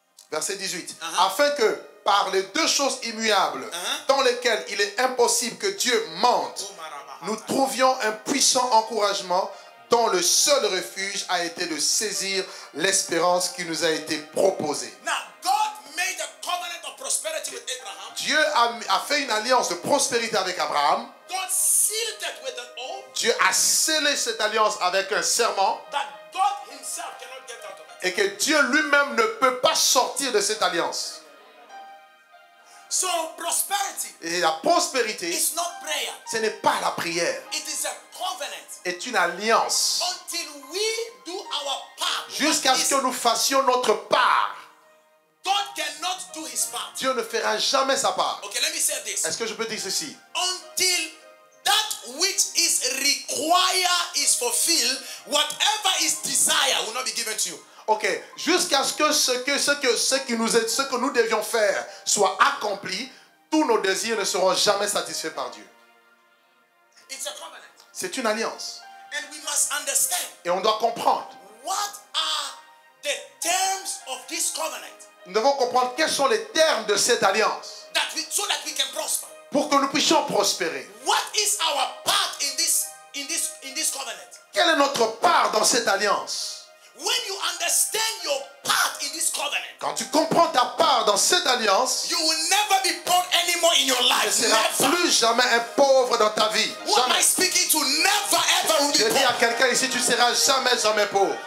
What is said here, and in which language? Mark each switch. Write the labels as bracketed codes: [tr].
[fr] Verset 18. Afin que par les deux choses immuables, dans lesquelles il est impossible que Dieu mente, nous trouvions un puissant encouragement dont le seul refuge a été de saisir l'espérance qui nous a été proposée. [en] Now, God made a covenant of prosperity with Abraham. [fr] Dieu a fait une alliance de prospérité avec Abraham. [en] God sealed it with an oath. [fr] Dieu a scellé cette alliance avec un serment. [en] That God himself cannot get out of it. [fr] Et que Dieu lui-même ne peut pas sortir de cette alliance. [en] So prosperity, [fr] et la prospérité, [en] is not prayer. [fr] Ce n'est pas la prière. [en] It is a covenant. [fr] Est une alliance. [en] Until we do our part, [fr] jusqu'à ce que nous fassions notre part. [en] God cannot do his part. [fr] Dieu ne fera jamais sa part. [en] Okay, let me say this. [fr] Est-ce que je peux dire ceci? [en] Until that which is required is fulfilled, whatever is desired will not be given to you. [fr] Ok, jusqu'à ce que ce que nous devions faire soit accompli, tous nos désirs ne seront jamais satisfaits par Dieu. [en] It's a covenant. [fr] C'est une alliance. [en] And we must understand. [fr] Et on doit comprendre. [en] What are the terms of this covenant? [fr] Nous devons comprendre quels sont les termes de cette alliance. [en] So that we can prosper. [fr] Pour que nous puissions prospérer. [en] What is our part in this covenant? [fr] Quelle est notre part dans cette alliance? [en] When you understand your part in this covenant, [fr] quand tu comprends ta part dans cette alliance, [en] you will never be poor anymore in your life. [fr] Tu ne seras plus jamais un pauvre dans ta vie. Jamais. [en] What am I speaking to? Never ever will be poor. [fr] Je dis à quelqu'un ici, tu ne seras jamais jamais pauvre.